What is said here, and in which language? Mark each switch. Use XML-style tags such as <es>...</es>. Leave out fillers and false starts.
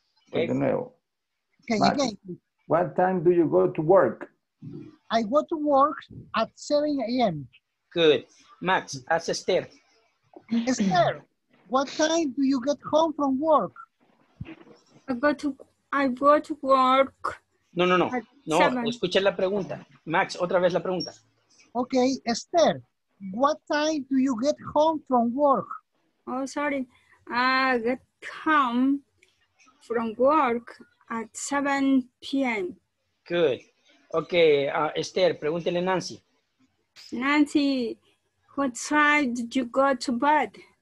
<en>Okay.</en> <es>De nuevo.</es> <en>Okay, Max, what time do you go to work? I go to work at 7 a.m. Good. Max, ask Esther. Esther, what time do you get home from work? I go to work.</en> <es>No. Escuché la pregunta. Max, otra vez la pregunta.</es> <en>Okay, Esther, what time do you get home from work? Oh, sorry. I get home from work at 7 p.m. Good. Okay, Esther,</en> <es>pregúntele</es> <en>Nancy. Nancy, what time did you go to bed?</en>